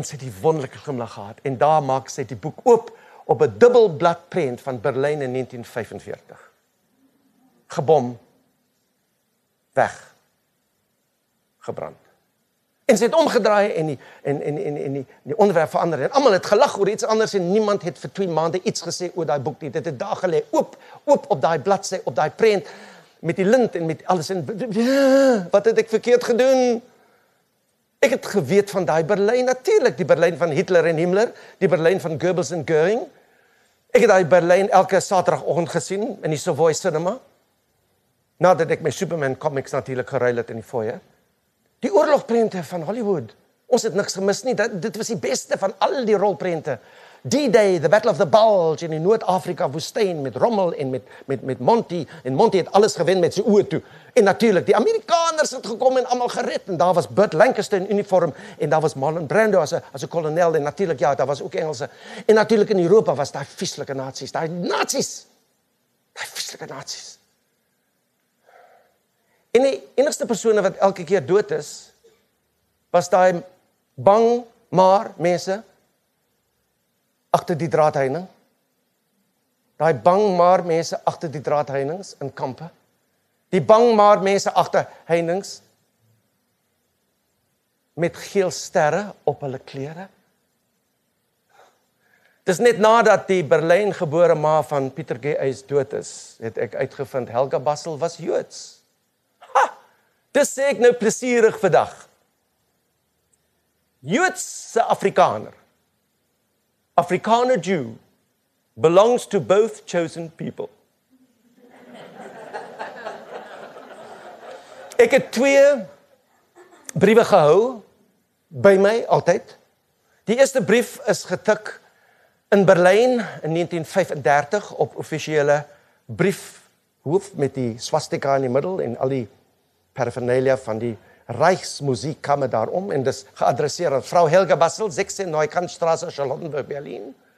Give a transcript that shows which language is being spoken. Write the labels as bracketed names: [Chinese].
[Afrikaans] En sy het die wonderlike glimlach gehad. En daar maak sy die boek oop op 'n dubbelblad print van Berlyn in 1945. Gebom. Weg. Gebrand. En sy het omgedraai en die onderwerp verander. En almal het gelag oor iets anders en niemand het vir 2 maande iets gesê oor daai boek nie. Dit het daar gelê, oop op daai bladsy, op daai print met die lint en met alles en wat het ek verkeerd gedoen? Ek het geweet van daai Berlyn natuurlik, die Berlyn van Hitler en Himmler, die Berlyn van Goebbels en Göring. Ek het daai Berlyn elke Saterdagoggend gesien in die Savoy Cinema. Nadat ek my Superman comics natuurlik geruil het in die foyer. Die oorlogprente van Hollywood. Ons het niks gemis nie. Dit was die beste van al die rolprente. D-Day, [English] the Battle of the Bulge [Afrikaans] in die Noord-Afrika woestyn met Rommel en met Monty. En Monty het alles gewen met sy oë toe. En natuurlik, die Amerikaners het gekom en allemaal gered. En daar was Burt Lancaster in uniform. En daar was Marlon Brando [English] as a [Afrikaans] kolonel. En natuurlik, ja, daar was ook Engelse. En natuurlik, in Europa was daar vieslike nazi's. Daar vieslike nazi's. En die enigste persoon wat elke keer dood is, was daai bang maar mense agter die draadheining. Daai bang maar mense agter die draadheinings in kampe. Die bang maar mense agter heinings met geel sterre op hulle klere. Dis net nadat die Berlyn gebore ma van Pieter G. Uys dood is, het ek uitgevind Helga Bassel was Joods. Dis sê ek nou plesierig vandag. Joodse Afrikaner. [English] Afrikaner Jew belongs to both chosen people. [Afrikaans] Ek het 2 briewe gehou by my altyd. Die eerste brief is getik in Berlyn in 1935 op offisiële briefhoof met die swastika in die middel en al die paraphernalia van die Reichsmusikkammer daarom en dis geadresseer aan vrou Helga Bassel, 16 Neukantstraße, Charlottenburg, Berlin.